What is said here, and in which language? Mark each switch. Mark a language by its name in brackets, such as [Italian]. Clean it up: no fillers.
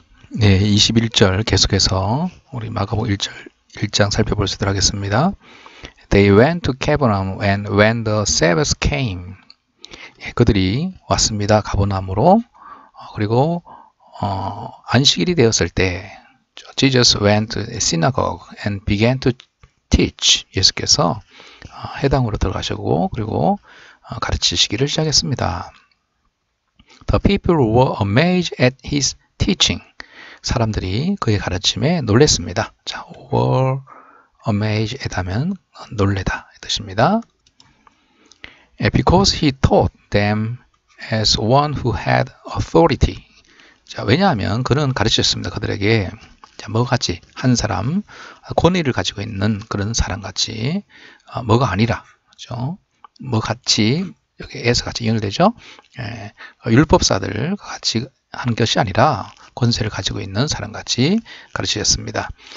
[Korean] 네, 21절 계속해서 우리 마가복음 1장 살펴볼 수 있도록 하겠습니다. [English] They went to Capernaum and when the Sabbath came. [Korean] 예, 그들이 왔습니다. 가버나움으로. 그리고 안식일이 되었을 때 [English] Jesus went to the synagogue and began to teach. [Korean] 예수께서 회당으로 들어가셨고 그리고 가르치시기를 시작했습니다. [English] The people were amazed at his teaching. [Korean] 사람들이 그의 가르침에 놀랬습니다. 자, [English] were amazed [Korean] 하면 놀래다 이 뜻입니다. [English] Because he taught them as one who had authority. [Korean] 자, 왜냐하면 그는 가르쳤습니다. 그들에게 자, 뭐 같이 한 사람 권위를 가지고 있는 그런 사람 같이 뭐가 아니라, 그렇죠? 뭐 같이 여기 에서 같이 연결되죠? 예, 율법사들 같이 하는 것이 아니라 권세를 가지고 있는 사람 같이 가르치셨습니다.